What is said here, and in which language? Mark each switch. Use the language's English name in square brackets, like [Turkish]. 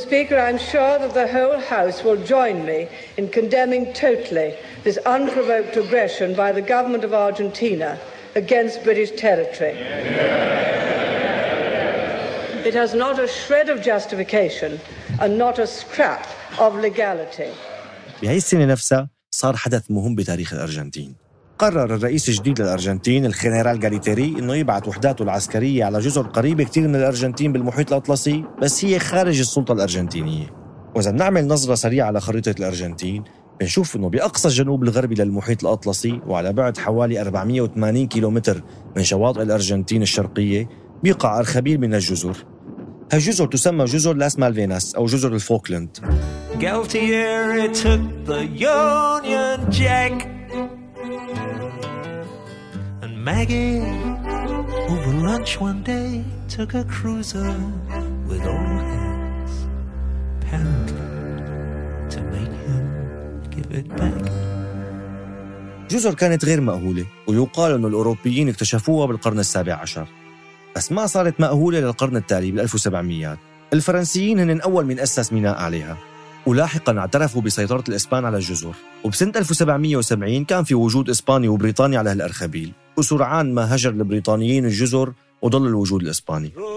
[English] Speaker, I'm sure that the whole House will join me in condemning totally this unprovoked aggression by the government of Argentina against British territory. It has not a shred of justification and not a scrap of legality. [Arabic] بهي السنة نفسها صار حدث مهم بتاريخ الأرجنتين. قرر الرئيس الجديد للأرجنتين الخينيرال غاليتيري إنه يبعث وحداته العسكرية على جزر قريبة كتير من الأرجنتين بالمحيط الأطلسي بس هي خارج السلطة الأرجنتينية. وإذا نعمل نظرة سريعة على خريطة الأرجنتين بنشوف إنه بأقصى الجنوب الغربي للمحيط الأطلسي وعلى بعد حوالي 480 كيلومتر من شواطئ الأرجنتين الشرقية بيقع أرخبيل من الجزر. هالجزر تسمى جزر لاس مالفيناس أو جزر الفوكلند. [English] Maggie, over lunch one day, took a cruiser with all hands, apparently to make him give it back. [Arabic] جزر كانت غير مأهولة ويقال أن الأوروبيين اكتشفوها بالقرن السابع عشر بس ما صارت مأهولة للقرن التالي بالألف وسبعميات. الفرنسيين هن أول من أسس ميناء عليها ولاحقاً اعترفوا بسيطرة الإسبان على الجزر. وبسنة 1770 كان في وجود إسباني وبريطاني على هالأرخبيل وسرعان ما هجر البريطانيين الجزر وضل الوجود الإسباني.